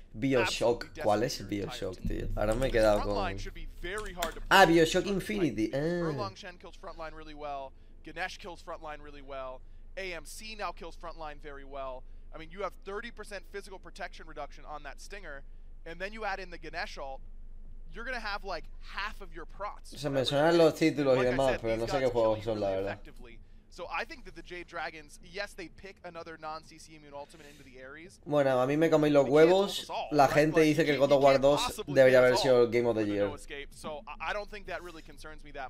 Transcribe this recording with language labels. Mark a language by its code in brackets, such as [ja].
[es] BioShock. ¿Cuál es BioShock, tío? Ahora me he quedado con BioShock Infinity. [en] Erlong Shen kills frontline really well. Ganesh kills frontline really well. AMC now kills frontline very well. I mean, you have 30% physical protection reduction on that Stinger, and then you add in the Ganesh ult, you're going to have like half of your prots. [es] Se mencionan los títulos y demás, pero no sé qué juegos son, la verdad. [en] So I think that the Jade Dragons, yes, they pick another non-CC immune ultimate into the Ares. [es] Bueno, a mí me coméis los huevos. La gente dice que el God of War 2 debería haber sido el Game of the Year. [en] So I don't think that really concerns me that